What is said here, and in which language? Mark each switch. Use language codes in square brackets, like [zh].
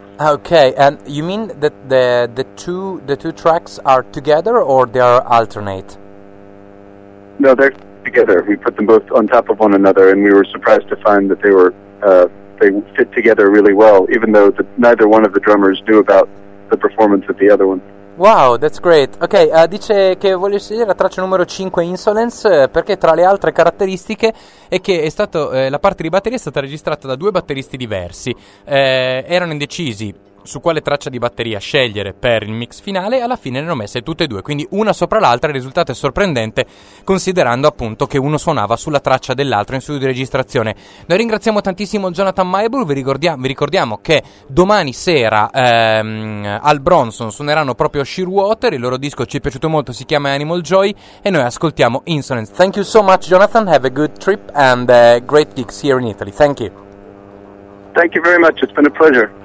[en] Okay, and you mean that the two tracks are together, or they are alternate? No, they're together. We put them both on top of one another, and we were surprised to find that they were they fit together really well, even though neither one of the drummers knew about the performance of the other one. Wow, that's great. [it] Ok, dice che voglio scegliere la traccia numero 5, Insolence, perché tra le altre caratteristiche è che è stato, la parte di batteria è stata registrata da due batteristi diversi. Erano indecisi su quale traccia di batteria scegliere per il mix finale, alla fine ne hanno messe tutte e due, quindi una sopra l'altra. Il risultato è sorprendente, considerando appunto che uno suonava sulla traccia dell'altro in studio di registrazione. Noi ringraziamo tantissimo Jonathan Maibru, vi ricordiamo che domani sera al Bronson suoneranno proprio Shearwater. Il loro disco ci è piaciuto molto, si chiama Animal Joy, e noi ascoltiamo Insolence. [en] Thank you so much Jonathan, have a good trip and great gigs here in Italy. Thank you. Thank you very much, it's been a pleasure.